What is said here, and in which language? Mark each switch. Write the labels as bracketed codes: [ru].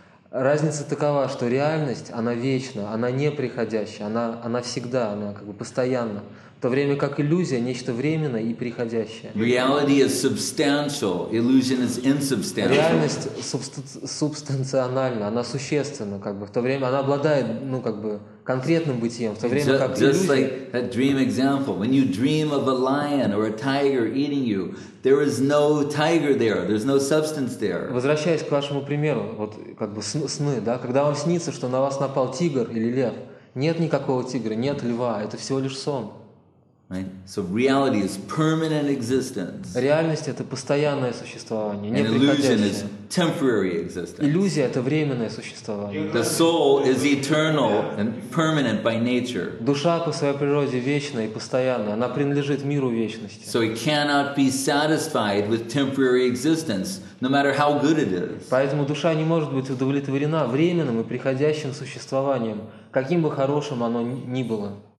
[ru] Разница такова, что реальность, она вечна, она неприходящая, она всегда, она как бы постоянна. В то время как иллюзия – нечто временное и приходящее. [en] Reality is substantial, illusion is insubstantial. [ru] Реальность субстанциональна, она существенна, как бы, в то время она обладает, ну, как бы, конкретным бытием, в то время как иллюзия… [en] Just like that dream example, when you dream of a lion or a tiger eating you, there is no tiger there, there's no substance there. [ru] Возвращаясь к вашему примеру, вот, как бы, сны, да, когда вам снится, что на вас напал тигр или лев, нет никакого тигра, нет льва, это всего лишь сон. [en] Right? So reality is permanent existence. [ru] Реальность — это постоянное существование, не приходящее. [en] And illusion is temporary existence. [ru] Иллюзия — это временное существование. [en] The soul is eternal and permanent by nature. [ru] Душа по своей природе вечна и постоянна. Она принадлежит миру вечности. [en] So it cannot be satisfied with temporary existence, no matter how good it is. [ru] Поэтому душа не может быть удовлетворена временным и приходящим существованием, каким бы хорошим оно ни было.